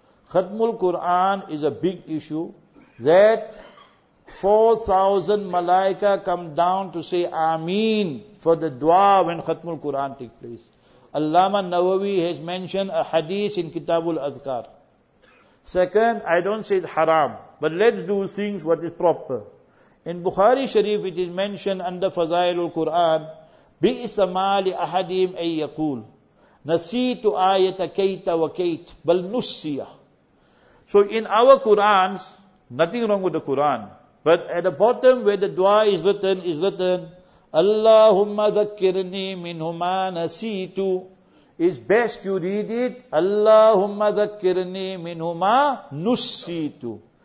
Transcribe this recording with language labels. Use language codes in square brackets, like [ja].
[en] Khatmul Qur'an is a big issue that 4,000 malaika come down to say Ameen for the dua when Khatmul Qur'an take place. Allama Nawawi has mentioned a hadith in Kitabul Adhkar. Second, I don't say it's haram, but let's do things what is proper. In Bukhari Sharif it is mentioned under Fazailul Qur'an, [ar] بِئِسَ مَا لِأَحَدِهِمْ أَيْ يَقُولُ نَسِيتُ آيَةَ كَيْتَ وَكَيْتَ بَلْ نُسِّيَهُ. [en] So in our Qur'ans, nothing wrong with the Qur'an, but at the bottom where the dua is written, [ar] اللَّهُمَّ ذَكِّرْنِي مِنْهُمَا نَسِيتُ. [en] It's best you read it, [ar] اللَّهُمَّ ذَكِّرْنِي مِنْهُمَا نُسِّيتُ.